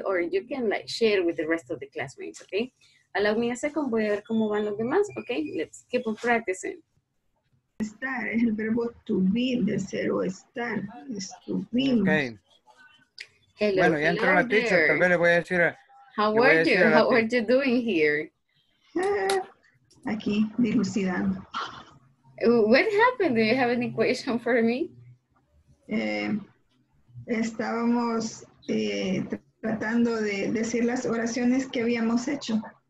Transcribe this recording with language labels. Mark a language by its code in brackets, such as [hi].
[en] Or you can like share with the rest of the classmates, okay? Allow me a second, [es] voy a ver cómo van los demás, [en] okay? Let's keep on practicing. [es] Estar es el verbo to be, de ser o estar, es to be. [en] Okay. Hello, [es] bueno, ya entró la teacher, tal vez le voy a decir a... [en] How are you? How are you doing here? [es] Aquí, dilucidando. [en] What happened? Do you have any question for me? [es] Estábamos tratando de decir las oraciones que habíamos hecho.